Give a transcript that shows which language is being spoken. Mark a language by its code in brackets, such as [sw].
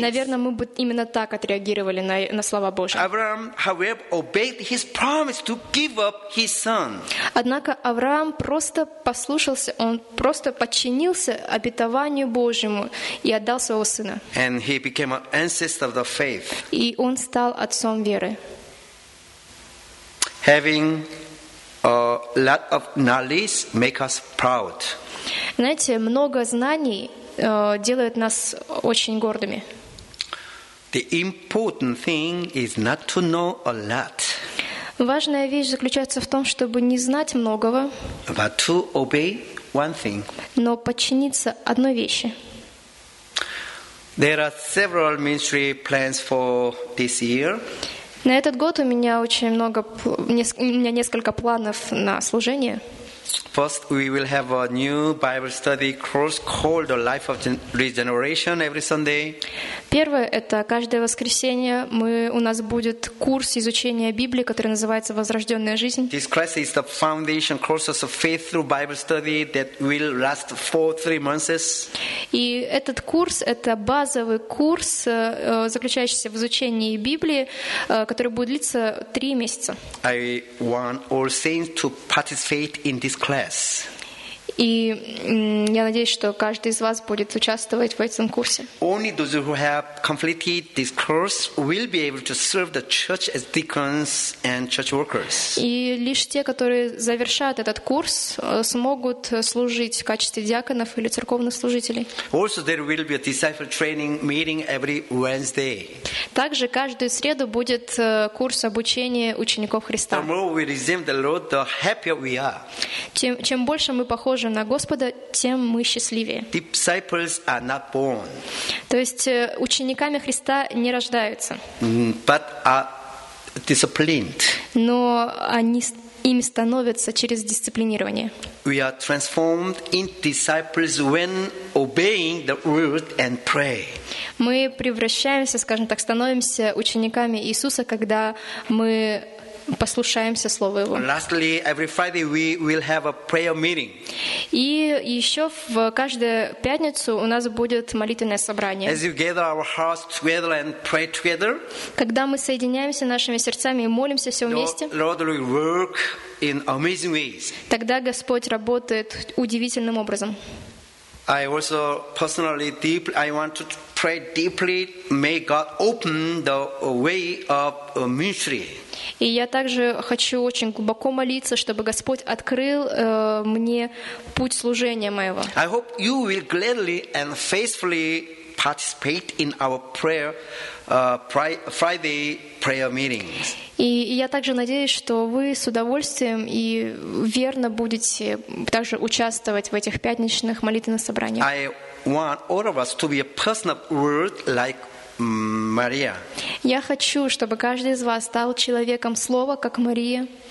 [ru] Наверное, мы бы именно так отреагировали на слова Божьи. [en] Abraham, however, obeyed his promise to give up his son. [ru] Однако Авраам просто послушался, он просто подчинился обетованию Божьему и отдал своего сына. [en] And he became an ancestor of the faith. [ru] И он стал отцом веры. [en] Having a lot of knowledge makes us proud. [ru] Знаете, много знаний делает нас очень гордыми. [en] The important thing is not to know a lot. [ru] Важная вещь заключается в том, чтобы не знать многого, [en] but to obey one thing. [ru] Но подчиниться одной вещи. [en] There are several ministry plans for this year. [ru] На этот год у меня очень много, у меня несколько планов на служение. [en] First, we will have a new Bible study course called "The Life of Regeneration" every Sunday. [ru] Первое это каждое воскресенье у нас будет курс изучения Библии, который называется «Возрожденная жизнь». [en] This class is the foundation courses of faith through Bible study that will last for 3 months. [ru] И этот курс это базовый курс, заключающийся в изучении Библии, который будет длиться 3 месяца. [en] I want all saints to participate in this class. [ru] И я надеюсь, что каждый из вас будет участвовать в этом курсе. [en] Only those who have completed this course will be able to serve the church as deacons and church workers. [ru] И лишь те, которые завершат этот курс, смогут служить в качестве диаконов или церковных служителей. [en] Also, there will be a disciple training meeting every Wednesday. [ru] Также каждую среду будет курс обучения учеников Христа. [en] The more we resemble the Lord, the happier we are. [ru] Чем больше мы похожи на Господа, тем мы счастливее. [en] Disciples are not born. [ru] То есть учениками Христа не рождаются. [en] But are disciplined. [ru] Но они ими становятся через дисциплинирование. [en] We are transformed into disciples when obeying the word and pray. [ru] Мы превращаемся, скажем так, становимся учениками Иисуса, когда мы послушаемся слова Его. [en] Lastly, every Friday we will have a prayer meeting. [ru] И еще в каждую пятницу у нас будет молитвенное собрание. [en] As you gather our hearts together and pray together. [ru] Когда мы соединяемся нашими сердцами и молимся все вместе. [en] Lord will work in amazing ways. [ru] Тогда Господь работает удивительным образом. [en] I also personally deeply I want to pray deeply. May God open the way of ministry. [ru] И я также хочу очень глубоко молиться, чтобы Господь открыл мне путь служения моего. [en] I hope you will gladly and faithfully participate in our prayer Friday prayer meetings. [ru] И я также надеюсь, что вы с удовольствием и верно будете также участвовать в этих пятничных молитвенных собраниях. [en] I want all of us to be a person of word like Maria. [ru] Я хочу, чтобы каждый из вас стал человеком слова, как Мария.